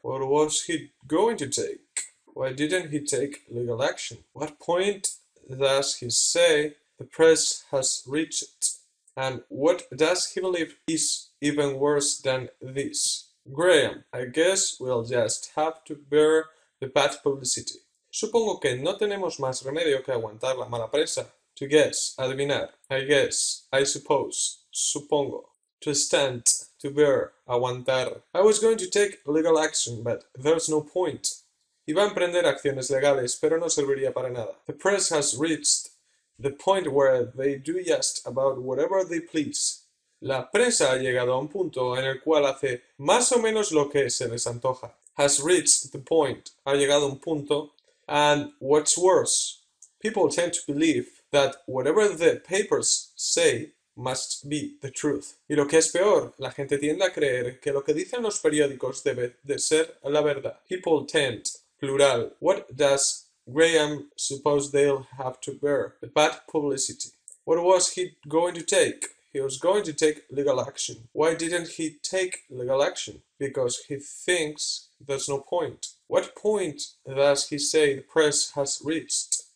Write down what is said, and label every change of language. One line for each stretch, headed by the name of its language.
English: What was he going to take? Why didn't he take legal action? What point does he say the press has reached? And what does he believe is even worse than this? Graham, I guess we'll just have to bear the bad publicity.
Spanish: Supongo que no tenemos más remedio que aguantar la mala prensa.
English: To guess, adivinar. I guess, I suppose, supongo. To stand, to bear, aguantar. I was going to take legal action, but there's no point.
Spanish: Iba a emprender acciones legales, pero no serviría para nada.
English: The press has reached the point where they do just about whatever they please.
Spanish: La prensa ha llegado a un punto en el cual hace más o menos lo que se les antoja.
English: Has reached the point.
Spanish: Ha llegado a un punto.
English: And what's worse, people tend to believe that whatever the papers say must be the truth.
Spanish: Y lo que es peor, la gente tiende a creer que lo que dicen los periódicos debe de ser la verdad.
English: People tend, plural. What does Graham suppose they'll have to bear? The bad publicity. What was he going to take? He was going to take legal action. Why didn't he take legal action? Because he thinks there's no point. What point does he say the press has reached?